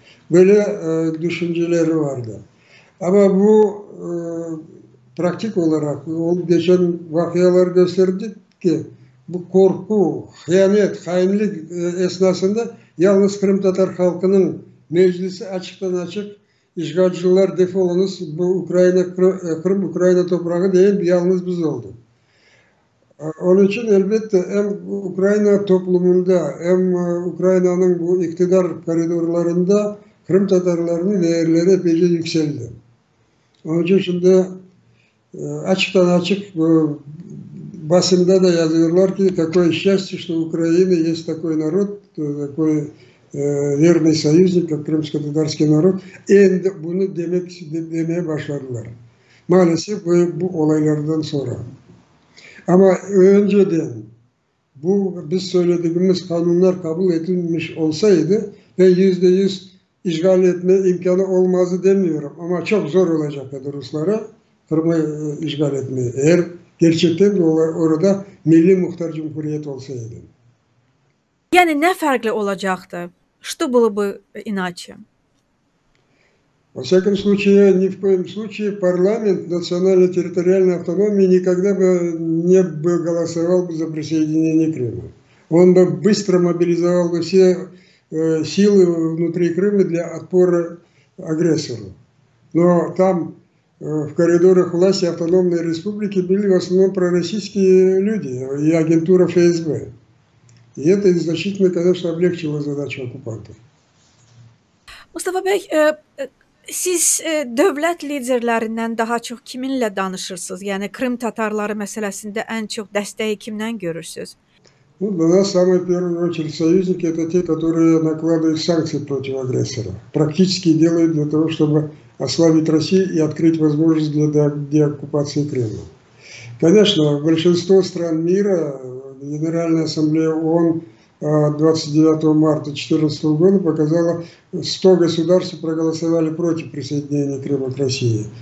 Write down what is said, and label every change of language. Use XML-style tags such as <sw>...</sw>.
<tr>Böyle düşünceleri vardı. Ama bu pratik olarak o geçen vakiyalar gösterdi ki bu korku, hıyanet, hainlik esnasında yalnız Kırım Tatar halkının meclisi açıktan açık işgalciler defolunuz bu Ukrayna Kırım Ukrayna toprağı değil yalnız biz olduk. Onun için elbette hem Ukrayna toplumunda hem Ukrayna'nın bu iktidar koridorlarında Kırım Tatarlarının değerleri epeyce yükseldi. Onun için şimdi açıktan açık basında da yazıyorlar ki</tr> <ru>такое счастье, что в Украине есть такой народ, такой верный союзник, как Крымско-Татарский народ.</ru> <tr>Endi bunu demeye başladılar. Maalesef bu olaylardan sonra. Ama önceden Bu biz söylediğimiz kanunlar kabul edilmiş olsaydı ve %100 işgal etme imkanı olmazdı demiyorum. Ama çok zor olacak Ruslara Kırım'ı işgal etmeyi. Eğer gerçekten orada milli muhtar cumhuriyet olsaydı. Yani ne farklı olacaktı?</tr> <ru>Что было бы иначе? Во всяком случае, ни в коем случае парламент национально-территориальной автономии никогда бы не бы голосовал бы за присоединение Крыма. Он бы быстро мобилизовал бы все силы внутри Крыма для отпора агрессору. Но там в коридорах власти автономной республики были в основном пророссийские люди и агентура ФСБ. И это значительно, конечно, облегчило задачу оккупантов.</ru> <tr>Mustafa Bey, siz devlet liderlerinden daha çok kiminle danışırsınız? Yani Kırım Tatarları meselesinde en çok desteği kimden görürsünüz?</tr> <ru>Ну, для нас самые в первую очередь союзники это те, которые накладывают санкции против агрессора. Практически делают для того, чтобы ослабить Россию и открыть возможность для деоккупации Крыма. Конечно, большинство стран мира, Генеральная Ассамблея ООН 29 марта 2014 года показала, 100 государств проголосовали против присоединения Крыма к России.</ru>